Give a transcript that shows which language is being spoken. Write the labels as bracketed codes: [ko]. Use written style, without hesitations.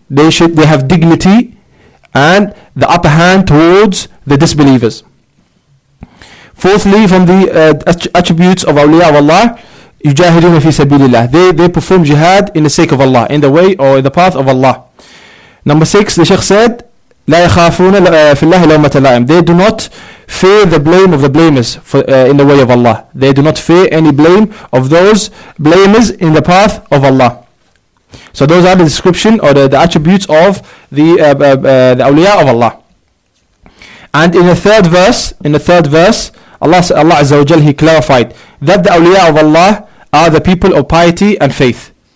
[en] They have dignity and the upper hand towards the disbelievers. Fourthly, from the attributes of awliya of Allah, [ar] yujahiduna fi sabilillah. [en] They perform jihad in the sake of Allah, in the way or in the path of Allah. Number six, the Shaykh said, [ar] لا يخافون في الله لومة لائم. [en] They do not fear the blame of the blamers in the way of Allah. They do not fear any blame of those blamers in the path of Allah. So those are the description or the attributes of the awliya of Allah. And in the third verse, Allah Azza wa Jal, he clarified that the awliya of Allah are the people of piety and faith.